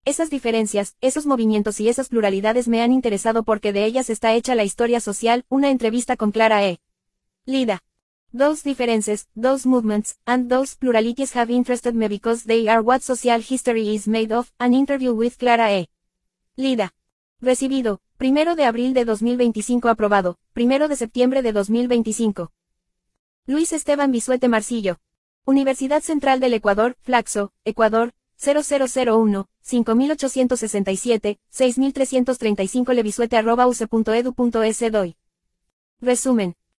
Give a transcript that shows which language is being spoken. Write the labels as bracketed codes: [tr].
[es] Esas diferencias, esos movimientos y esas pluralidades me han interesado porque de ellas está hecha la historia social, una entrevista con Clara E. Lida. [en] Those differences, those movements, and those pluralities have interested me because they are what social history is made of, an interview with Clara E. Lida. [es] Recibido, 1 de abril de 2025 aprobado, 1 de septiembre de 2025. Luis Esteban Bisuete Marcillo. Universidad Central del Ecuador, Flaxo, Ecuador, 0001-5867-6335-levisuete@uce.edu.es. Doy. Resumen.